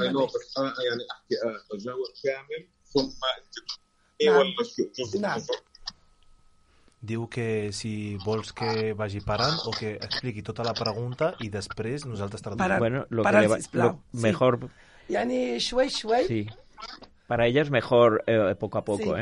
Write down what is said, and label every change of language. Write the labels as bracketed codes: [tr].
[ar] يعني أحكي أجاوب كامل ثم أي ولا شيء. نعم. [ca] Diu que si vols que vagi parant o que expliqui tota la pregunta i després nosaltres traduïm. [es] Bueno, lo que le va, lo mejor. Sí. [ar] Yani shway shway. [es] Sí. Para ella es mejor poco a poco, sí.